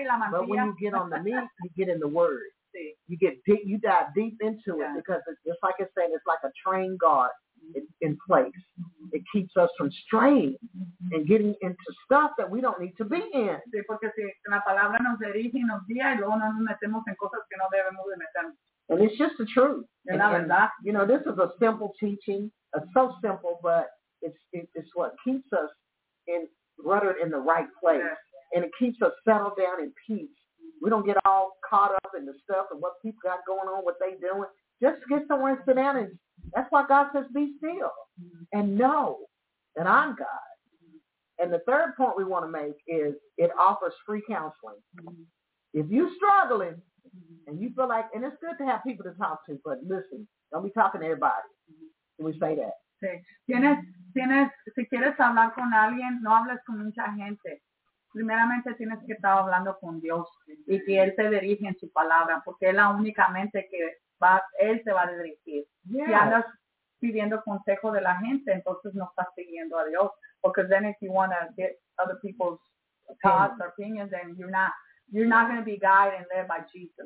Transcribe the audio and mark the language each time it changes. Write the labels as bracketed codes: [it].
[en] But when you get on the meat, you get in the Word. You get deep, you dive deep into it because it's like I said, it's like a trained guard in place. It keeps us from straying and getting into stuff that we don't need to be in. [es] Sí, porque si la palabra nos dirige y nos guía y luego no nos metemos en cosas que no debemos de meternos. [en] And it's just the truth. [es] Es la verdad. [en] You know, this is a simple teaching. It's so simple, but it's what keeps us rudder in the right place. Yes. And it keeps us settled down in peace. We don't get all caught up in the stuff and what people got going on, what they doing. Just get somewhere and sit down and that's why God says, be still and know that I'm God. And the third point we want to make is it offers free counseling. If you're struggling and you feel like, and it's good to have people to talk to, but listen, don't be talking to everybody. Can we say that? [es] Sí. Si quieres hablar con alguien, no hables con mucha gente. Primeramente tienes que estar hablando con Dios y que Él te dirige en su palabra porque es la única mente que... Él se va a dirigir. [en] Yes. [es] Si andas pidiendo consejo de la gente, entonces no estás siguiendo a Dios. Porque [en] then if you want to get other people's thoughts or opinions, then you're not going to be guided and led by Jesus.